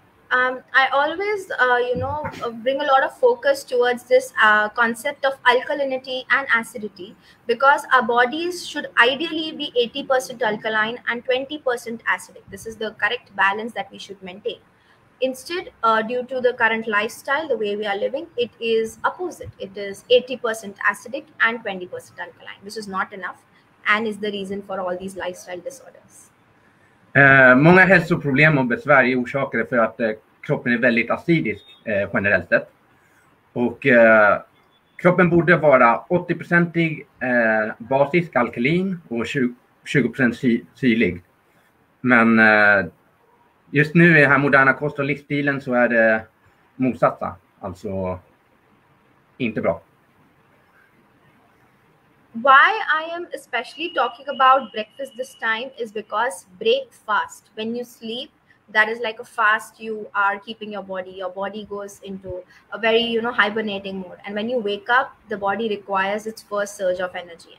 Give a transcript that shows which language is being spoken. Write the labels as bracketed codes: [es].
[en] I always, bring a lot of focus towards this concept of alkalinity and acidity, because our bodies should ideally be 80% alkaline and 20% acidic. This is the correct balance that we should maintain. Instead, due to the current lifestyle, the way we are living, it is opposite. It is 80% acidic and 20% alkaline. This is not enough and is the reason for all these lifestyle disorders. [sv] Många hälsoproblem och besvär är orsakade för att kroppen är väldigt acidisk generellt sett. Och kroppen borde vara 80% basisk alkalin och 20% syrlig. Men just nu i den här moderna kost- och livsstilen så är det motsatta, alltså inte bra. [en] Why I am especially talking about breakfast this time is because breakfast, when you sleep, that is like a fast. You are keeping your body goes into a very, you know, hibernating mode. And when you wake up, the body requires its first surge of energy.